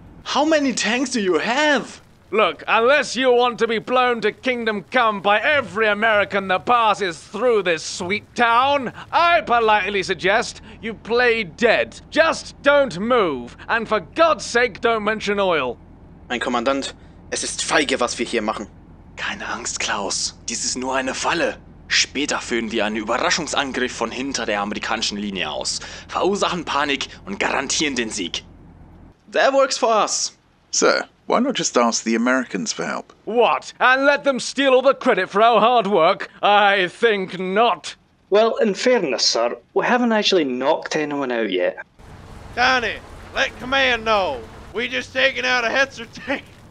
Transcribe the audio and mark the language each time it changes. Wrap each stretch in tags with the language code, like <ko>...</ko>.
<en>How many tanks do you have? Look, unless you want to be blown to kingdom come by every American that passes through this sweet town, I politely suggest you play dead. Just don't move, and for God's sake, don't mention oil.</en> <de>Mein Kommandant, es ist feige, was wir hier machen. Keine Angst, Klaus. Dies ist nur eine Falle. Später führen wir einen Überraschungsangriff von hinter der amerikanischen Linie aus, verursachen Panik und garantieren den Sieg.</de> <en>That works for us. Sir. Why not just ask the Americans for help? What? And let them steal all the credit for our hard work? I think not. Well, in fairness, sir, we haven't actually knocked anyone out yet. Tiny, let command know. We just taken out a Hetzer tank.</en>